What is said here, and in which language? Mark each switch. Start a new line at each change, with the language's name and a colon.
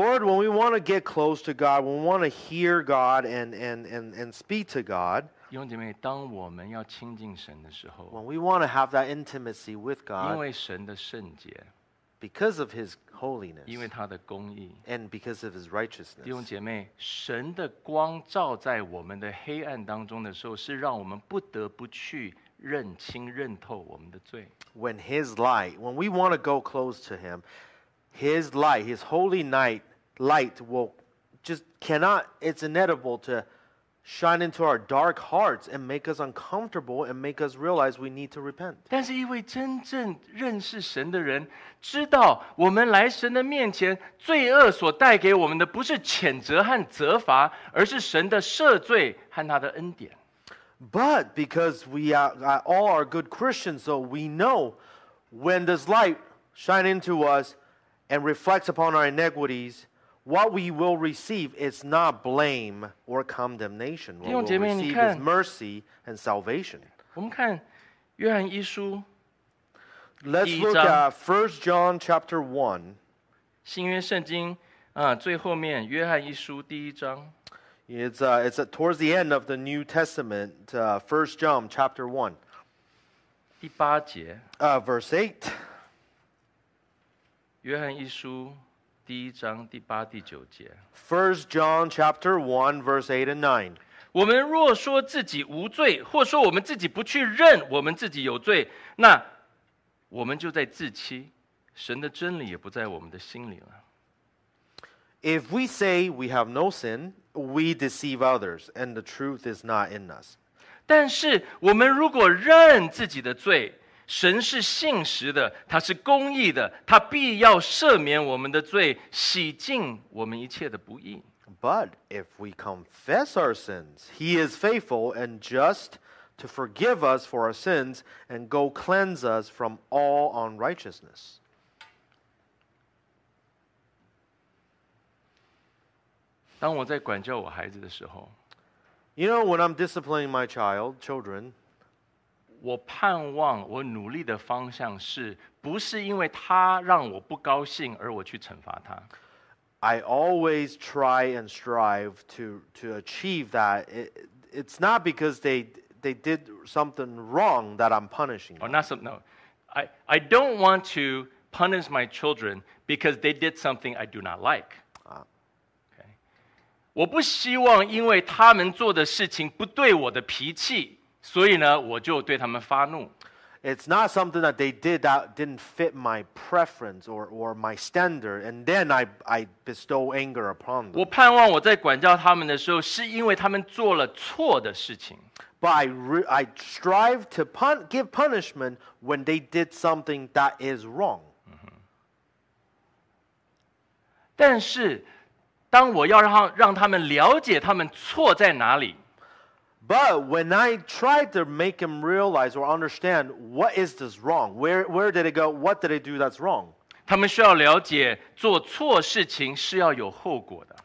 English: ，Lord, when we want to get close to God, when we want to hear God and speak to God.
Chinese: 弟兄姐妹，当我们要亲近神的时候
English: ，When we want to have that intimacy with God.
Chinese: 因为神的圣洁。
English: Because of His holiness,
Chinese: 因为他的公义
English: and because of His righteousness,
Chinese: 弟兄姐妹，神的光照在我们的黑暗当中的时候，是让我们不得不去认清、认透我们的罪。
English: When His light, when we want to go close to Him, His light, His holy light will just cannot. It's inevitable to shine into our dark hearts and make us uncomfortable and make us realize we need to repent.
Chinese: 但是一位真正认识神的人。知道我们来神的面前，罪恶所带给我们的不是谴责和责罚，而是神的赦罪和他的恩典。
English: But because we are all are good Christians, so we know when this light shines into us and reflects upon our iniquities, what we will receive is not blame or condemnation. What we will receive is mercy and salvation.
Chinese: 我们看约翰一书。
English: Let's look at 1 John chapter 1.
Chinese: 新约圣经最后面约翰一书第一章。
English: It's towards the end of the New Testament, 1 John chapter 1.
Chinese: 第八节。
English: Verse 8.
Chinese: 约翰一书第一章第八第九节。
English: 1 John chapter 1, verse 8 and 9.
Chinese: 我们若说自己无罪，或说我们自己不去认我们自己有罪，那我们就在自欺，神的真理也不在我们的心里了。
English: If we say we have no sin, we deceive others, and the truth is not in us.
Chinese: 但是我们如果认自己的罪，神是信实的，他是公义的，他必要赦免我们的罪，洗净我们一切的不义。
English: But if we confess our sins, he is faithful and just to forgive us for our sins and go cleanse us from all unrighteousness.
Chinese: 当我在管教我孩子的时候，
English: You know, when I'm disciplining my children,
Chinese: 我盼望我努力的方向是不是因为他让我不高兴而我去惩罚他。
English: I always try and strive to achieve that. It's not because they did something wrong that I'm punishing them. Oh, not some, no. I don't want to punish my children because they did something I do not like. Okay.
Chinese: 我不希望因为他们做的事情不对我的脾气，所以呢，我就对他们发怒。
English: It's not something that they did that didn't fit my preference or my standard, and then I bestow anger upon them.
Chinese: 我盼望我在管教他们的时候，是因为他们做了错的事情。
English: But I strive to give punishment when they did something that is wrong.
Chinese: 但是，当我要让他们了解他们错在哪里。
English: But when I tried to make him realize or understand what is this wrong, where did it go? What did it do that's wrong?
Chinese: 他们需要了解做错事情是要有后果的。